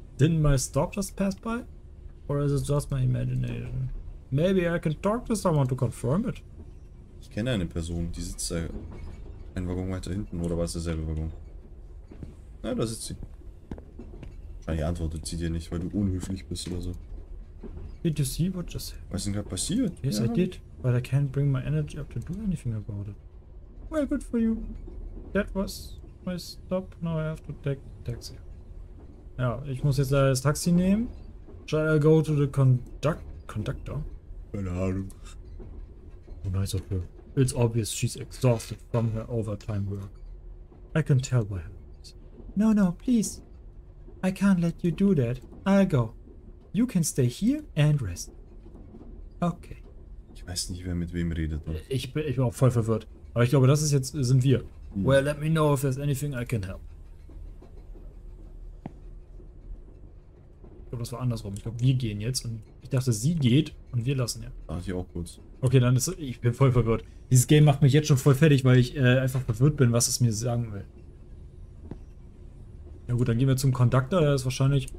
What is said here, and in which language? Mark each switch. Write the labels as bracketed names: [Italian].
[English] Didn't my stop just pass by? Or is it just my imagination? Maybe I can talk to someone to confirm it. [German] Ich kenne eine Person, die sitzt da einen Waggon weiter hinten. Oder war es derselbe Waggon? Na, ja, da sitzt sie. Wahrscheinlich antwortet sie dir nicht, weil du unhöflich bist oder so. [English] Did you see what just happened? [German] Was ist denn gerade passiert? [English] Yes, ja. I did. But I can't bring my energy up to do anything about it. Well, good for you. That was my stop. Now I have to take the taxi. [German] Ja, ich muss jetzt das Taxi nehmen. [English] Shall I go to the conductor? [German] Keine Ahnung. [English] Oh, nice of her. It's obvious she's exhausted from her overtime work. I can tell by her. No, no, please. I can't let you do that. I'll go. You can stay here and rest. Okay. [German] Ich weiß nicht, wer mit wem redet. Ich bin auch voll verwirrt. Aber ich glaube, das ist jetzt sind wir. Hm. [English] Well, let me know if there's anything I can help. [German] Ich glaube, das war andersrum. Ich glaube, wir gehen jetzt und ich dachte, sie geht und wir lassen ja. Ach, ich auch kurz. Okay, dann ist ich bin voll verwirrt. Dieses Game macht mich jetzt schon voll fertig, weil ich einfach verwirrt bin, was es mir sagen will. Ja gut, dann gehen wir zum Conductor, der ist wahrscheinlich...